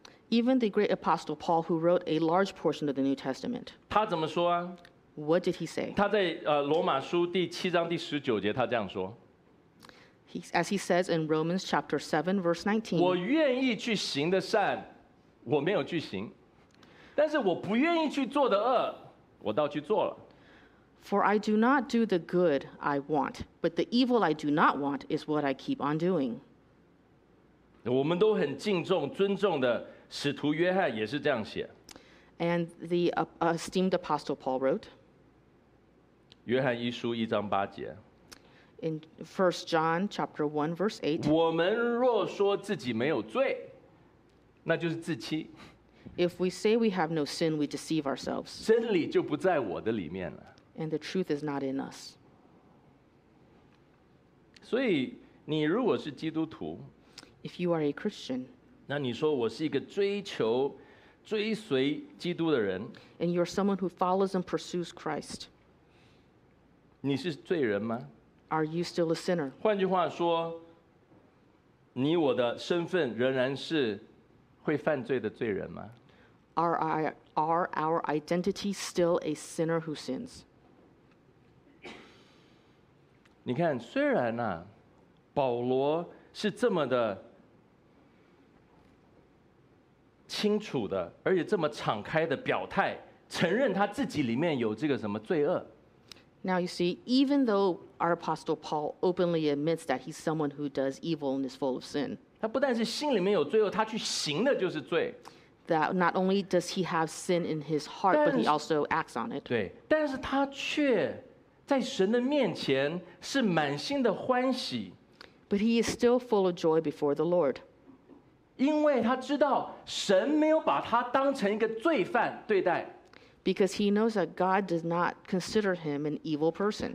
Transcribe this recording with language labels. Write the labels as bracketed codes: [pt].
[en] ，Even the great apostle Paul, who wrote a large portion of the New Testament, [zh] 他怎么说啊 [en] ？What did he say？ [zh] 他在罗马书第七章第十九节，他这样说 [en] ：As he says in Romans chapter 7 verse 19， [zh] 我愿意去行的善，我没有去行；但是我不愿意去做的恶，我倒去做了。 [en] For I do not do the good I want, but the evil I do not want is what I keep on doing. [zh] 我们都很敬重、尊重的使徒约翰也是这样写。 [en] And the esteemed apostle Paul wrote. [zh] 约翰一书一章八节。 [en] In 1 John chapter 1 verse 8. [zh] 我们若说自己没有罪，那就是自欺。 [en] If we say we have no sin, we deceive ourselves. [zh] 真理就不在我的里面了。 [en] And the truth is not in us. [zh] 所以你如果是基督徒 [en] ，If you are a Christian， [zh] 那你说我是一个追求、追随基督的人 [en] ，And you're someone who follows and pursues Christ， [zh] 你是罪人吗 [en] Are you still a sinner? [zh] 换句话说，你我的身份仍然是会犯罪的罪人吗？ [en] Are our identity still a sinner who sins? [zh] 你看，虽然啊，保罗是这么的清楚的，而且这么敞开的表态，承认他自己里面有这个什么罪恶。 [en] Now you see, even though our apostle Paul openly admits that he's someone who does evil and is full of sin, [zh] 他不但是心里面有罪恶，他去行的就是罪。 [en] That not only does he have sin in his heart, but he also acts on it. [zh] 对，但是他却在神的面前是满心的欢喜。 [en] But he is still full of joy before the Lord. [zh] 因为他知道神没有把他当成一个罪犯对待。 [en] Because he knows that God does not consider him an evil person.